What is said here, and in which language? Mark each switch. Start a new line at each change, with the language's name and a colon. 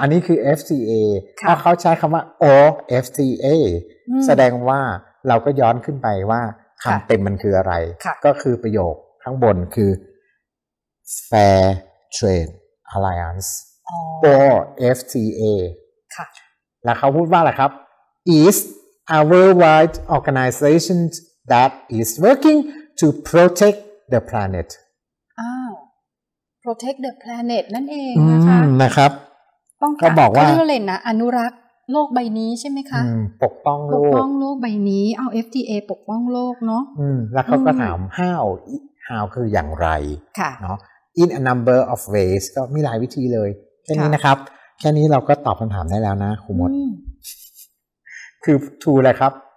Thai: อันนี้คือ FCA ถ้าเขาใช้คำว่า O FTA แสดงว่าเราก็ย้อนขึ้นไปว่าคำเต็มมันคืออะไรก็คือประโยคข้างบนคือ Fair Trade Alliance or FTA ค่ะ แล้วเขาพูดว่าอะไรครับ
English: Is a worldwide organization that is working to protect the planet Protect the planet
Thai: นั่นเองนะคะ นะครับ ป้องกัน คือเรื่องอะไรนะอนุรักษ์โลกใบนี้ใช่ไหมคะ ปกป้องโลก ปกป้องโลกใบนี้เอา FTA ปกป้องโลกเน า ะ แล้วเขาก็ถาม how คืออย่างไร ค่ะ เนาะ
English: in a number of ways
Thai: ก็มีหลายวิธีเลยแค่นี้นะครับแค่นี้เราก็ตอบคำถามได้แล้วนะครูมดคือ to อะไรครับ